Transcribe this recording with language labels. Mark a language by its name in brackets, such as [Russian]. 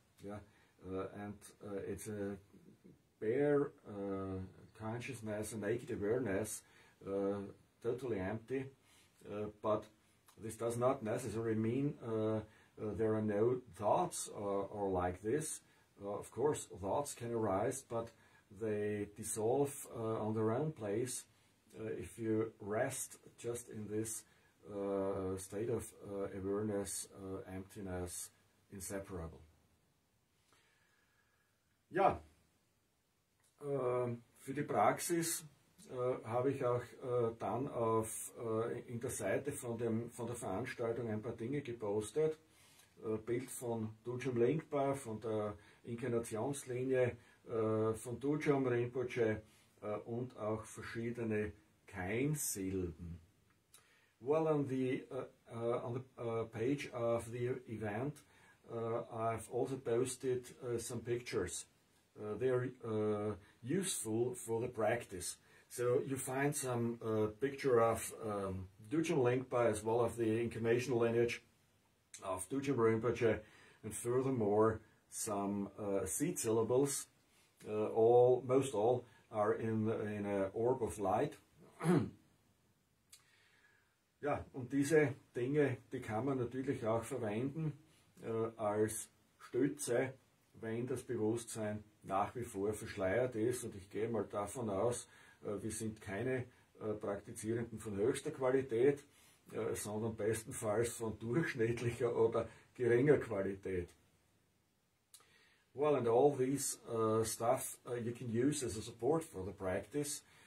[English] Yeah, it's a bare consciousness, a naked awareness, totally empty, but this does not necessarily mean there are no thoughts or like this. Of course, thoughts can arise, but they dissolve on their own place if you rest just in this state of awareness, emptiness, inseparable. [German] Ja, für die Praxis habe ich auch dann auf in der Seite von der Veranstaltung ein paar Dinge gepostet. Bild von Dudjom Lingpa, von der Inkarnationslinie von Dudjom Rinpoche und auch verschiedene Keimsilben. [English] Well, on the page of the event, I've also posted some pictures. They are useful for the practice. So you find some picture of Dzogchen Lingpa as well as the incarnational lineage of Dzogchen Rinpoche, and furthermore some seed syllables. Most all are in a orb of light. [German] Ja, und diese Dinge, die kann man natürlich auch verwenden als Stütze, wenn das Bewusstsein nach wie vor verschleiert ist. Und ich gehe mal davon aus, wir sind keine Praktizierenden von höchster Qualität, sondern bestenfalls von durchschnittlicher oder geringer Qualität. [English] Well, and all this stuff you can use as a support for the practice.